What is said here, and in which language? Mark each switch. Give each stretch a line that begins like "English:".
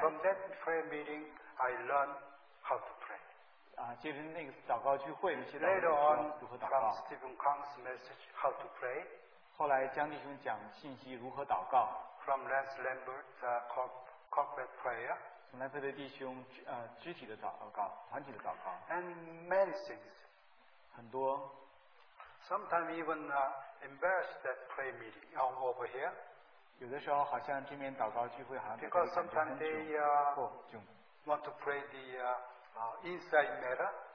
English: From that prayer meeting, I learned how to pray.
Chinese: 接着那个祷告聚会，那些祷告如何祷告。
English: Later on, Stephen Kong's message, how to pray.
Chinese: 后来江弟兄讲信息如何祷告。
English: From Lance Lambert's corporate prayer.
Chinese: 从兰佩德弟兄肢体的祷告，团体的祷告。
English: And many things.
Chinese: 很多。
English: Sometimes even embarrassed that prayer meeting over here.
Chinese: 有的时候好像这边祷告聚会好像感觉很久。
English: Because sometimes they want to pray the inside matter.